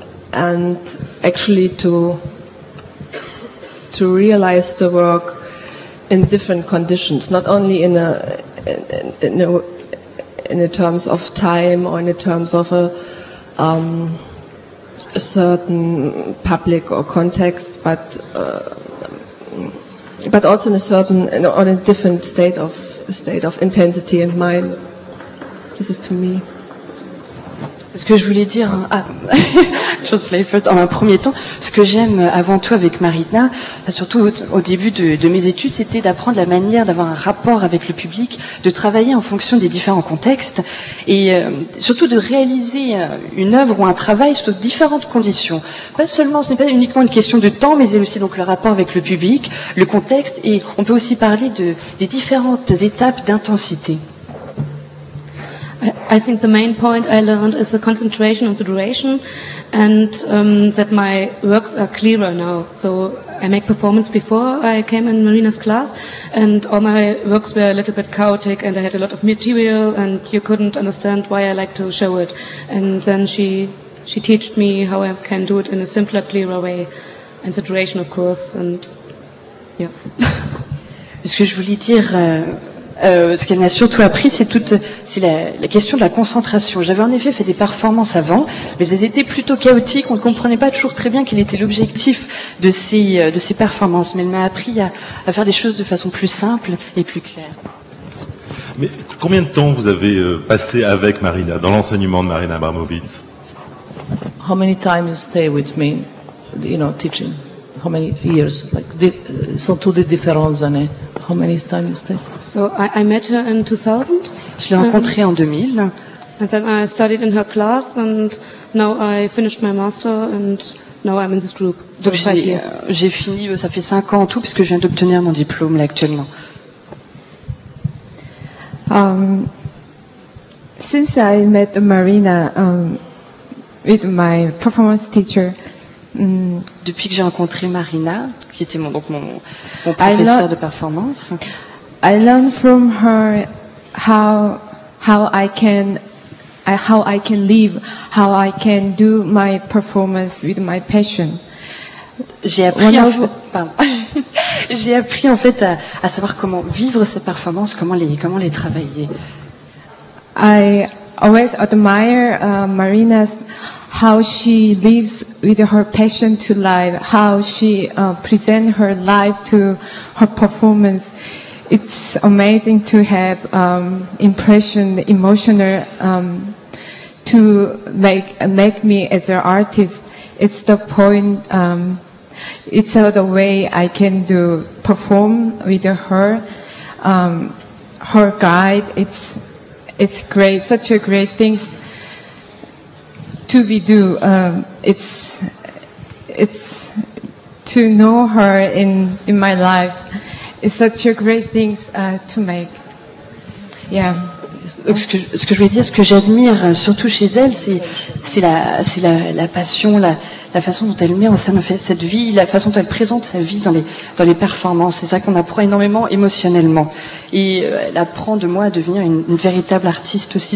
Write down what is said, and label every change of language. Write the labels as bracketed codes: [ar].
[en] And actually to realize the work in different conditions, not only in terms of time or in terms of a certain public or context, but also in a certain or in a different state of intensity in mind. This is to me. [fr] Ce que je voulais dire, en un premier temps, ce que j'aime avant tout avec Maritna, surtout au début de mes études, c'était d'apprendre la manière d'avoir un rapport avec le public, de travailler en fonction des différents contextes, et surtout de réaliser une œuvre ou un travail sous différentes conditions. Pas seulement, ce n'est pas uniquement une question de temps, mais c'est aussi donc le rapport avec le public, le contexte, et on peut aussi parler des différentes étapes d'intensité. [en] I think the main point I learned is the concentration on the duration, and that my works are clearer now. So I make performance before I came in Marina's class, and all my works were a little bit chaotic, and I had a lot of material, and you couldn't understand why I like to show it. And then she taught me how I can do it in a simpler, clearer way, and the duration, of course, and yeah. [fr] Ce que je voulais dire Ce qu'elle m'a surtout appris, c'est la question de la concentration. J'avais en effet fait des performances avant, mais elles étaient plutôt chaotiques. On ne comprenait pas toujours très bien quel était l'objectif de ces performances. Mais elle m'a appris à faire les choses de façon plus simple et plus claire. Mais combien de temps vous avez passé avec Marina, dans l'enseignement de Marina Abramovitz? [en] How many times you stay with me, you know, teaching? How many years? [fr] Sont toutes les différentes années. [en] How many times you stay? So I met her in 2000. [fr] Je l'ai rencontrée en 2000. [en] And then I studied in her class, and now I finished my master, and now I'm in this group. [fr] So donc j'ai fini, ça fait 5 ans en tout, puisque je viens d'obtenir mon diplôme là actuellement. [en] Since I met Marina with my performance teacher. [fr] Depuis que j'ai rencontré Marina, qui était mon professeur de performance, [en] I learned from her how I can live, how I can do my performance with my passion. [fr] J'ai appris en fait à savoir comment vivre ces performances, comment les travailler. [en] I always admire Marina's how she lives with her passion to life, how she presents her life to her performance. It's amazing to have impression, emotional, to make me as an artist. It's the point, it's the way I can do perform with her. Her guide, it's great, such a great thing. To be do, it's to know her in my life. It's such a great thing to make. Yeah. [fr] Ce que je veux dire, ce que j'admire surtout chez elle, c'est la passion, la façon dont elle met en scène cette vie, la façon dont elle présente sa vie dans les performances. C'est ça qu'on apprend énormément émotionnellement. Et elle apprend de moi à devenir une véritable artiste aussi.